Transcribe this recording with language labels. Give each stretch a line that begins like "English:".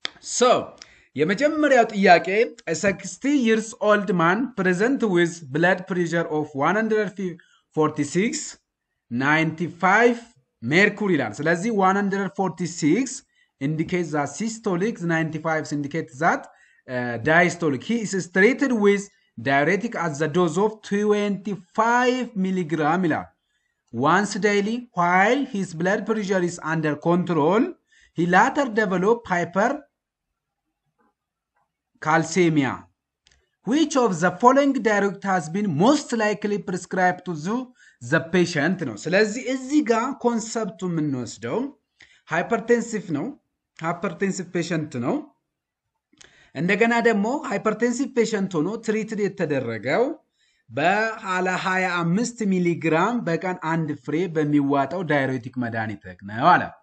Amharic: ሶ የመጀመሪያው ጥያቄ
English: a 60 years old man present with blood pressure of 146 95 mercury
Amharic: ይላል።
English: ስለዚህ 146 indicates that systolic, 95 indicates that diastolic. He is treated with diuretic at the dose of 25 milligram once daily. While his blood pressure is under control, he later developed hypercalcemia. Which of the following diuretic has been most likely prescribed to the patient? No. So let's see concept minus though. Hypertensive no.
Amharic: ሃይፐርቴንሲቭ ፔሸንት ነው። እንደገና ደግሞ ሃይፐርቴንሲቭ ፔሸንት ሆኖ ትሪትድ የተደረገው በአለ 25 ሚሊግራም በቀን አንድ ፍሬ በሚዋጠው ዳይሬቲክ መድኃኒት ነው አለ።